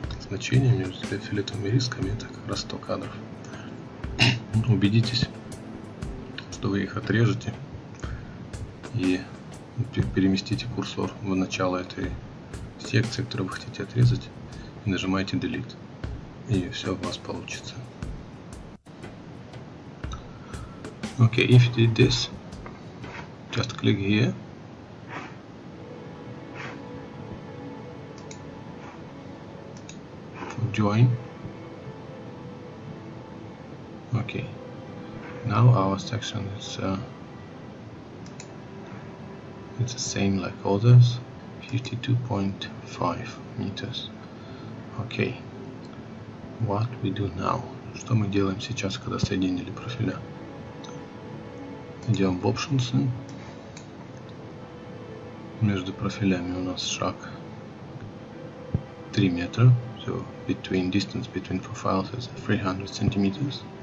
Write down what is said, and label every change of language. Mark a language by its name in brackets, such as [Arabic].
[Russian] значениями, с фиолетовыми рисками, это как раз 100 кадров. Убедитесь, что вы их отрежете и переместите курсор в начало этой секции, которую вы хотите отрезать, и нажимаете Delete, и все у вас получится. [English] Okay, if you did this, just click here. Join. Okay. Now our section is it's the same like others, 52.5 meters. Okay. What we do now? [Russian] Что мы делаем сейчас, когда соединили профиля? Идем в options. Между профилями у нас шаг 3 метра. [English] So between distance between profiles is 300 centimeters.